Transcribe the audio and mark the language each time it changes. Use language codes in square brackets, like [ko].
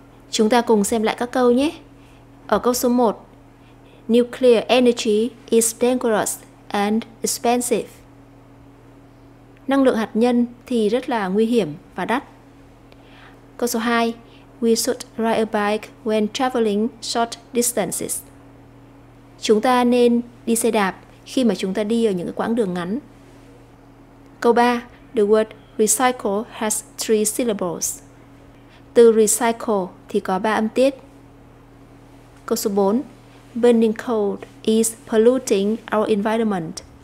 [vi] Chúng ta cùng xem lại các câu nhé. Ở câu số 1, [en] nuclear energy is dangerous and expensive. [vi] năng lượng hạt nhân thì rất là nguy hiểm và đắt. Câu số 2. [en] We should ride a bike when traveling short distances. [vi] Chúng ta nên đi xe đạp khi mà chúng ta đi ở những quãng đường ngắn. Câu 3. [en] The word recycle has three syllables. [vi] Từ recycle thì có 3 âm tiết. Câu số 4. [en] Burning coal is polluting our environment.